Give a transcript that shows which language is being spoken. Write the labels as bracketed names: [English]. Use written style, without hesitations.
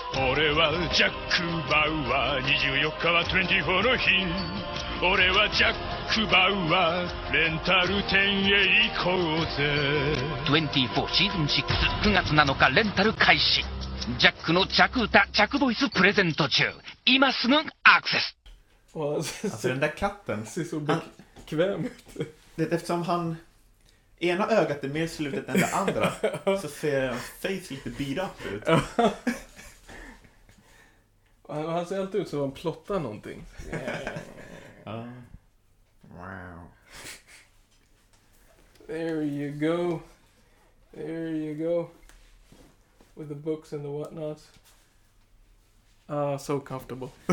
[Japanese] 俺はジャック・バウアー24日は24の日俺はジャック・バウアーレンタル店へ行こうぜ24シーズン6 9月7日レンタル開始ジャックの着歌着ボイスプレゼント中今すぐアクセス [Swedish] Alltså, den där katten ser så bekväm ut. Det är eftersom han ena ögat är mer slutet än det andra, så ser hans face lite [English] beat up [Swedish] ut. Han ser alltid ut som han plottar någonting. [English] Wow. There you go with the books and the whatnot. So comfortable.